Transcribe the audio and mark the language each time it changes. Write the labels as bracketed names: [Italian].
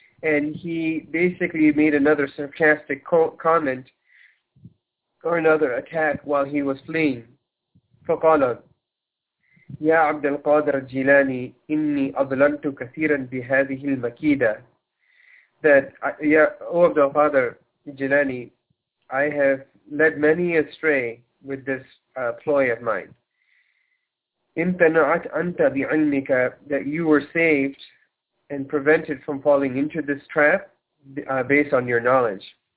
[English] And he basically made another sarcastic comment or another attack while he was fleeing. [Arabic] فَقَالَ يا عبد القادر الجيلاني إني أضللت كثيرا بهذه المكيدة. [English] That oh Abd al-Qadir Jilani, I have led many astray with this ploy of mine. [Arabic] امتنعت أنت بعلمك, [English] that you were saved and prevented from falling into this trap based on your knowledge.